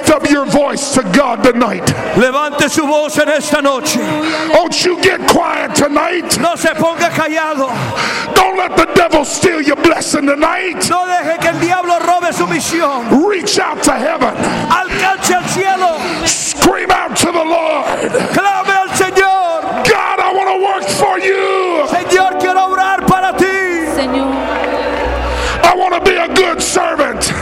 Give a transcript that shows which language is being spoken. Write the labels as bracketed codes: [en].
[en] Your voice to God tonight. [es] Levante su voz en esta noche. [en] Don't you get quiet tonight. [es] No se ponga callado. [en] Don't let the devil steal your blessing tonight. [es] No deje que el diablo robe su misión. [en] Reach out to heaven. [es] Alcance al cielo. [en] Scream out to the Lord. [es] Clame al Señor. [en] God, I want to work for you. [es] Señor, quiero obrar para ti. Señor. [en] I want to be a good servant.